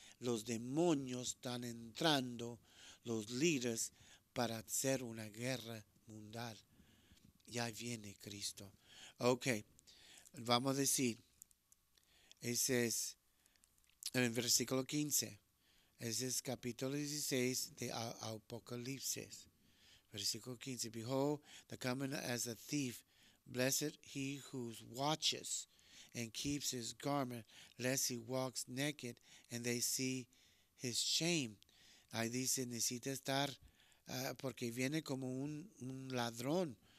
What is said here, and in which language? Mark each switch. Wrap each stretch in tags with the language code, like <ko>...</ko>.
<es>Los demonios están entrando los líderes para hacer una guerra mundial. Ya viene Cristo. Okay, vamos a decir, ese es en versículo 15, ese es capítulo 16 de Apocalipsis.</es> <en>Versículo 15, behold, the coming as a thief, blessed he who watches and keeps his garment, lest he walks naked and they see his shame.</en> <es>Ahí dice, necesita estar, porque viene como un ladrón.</es>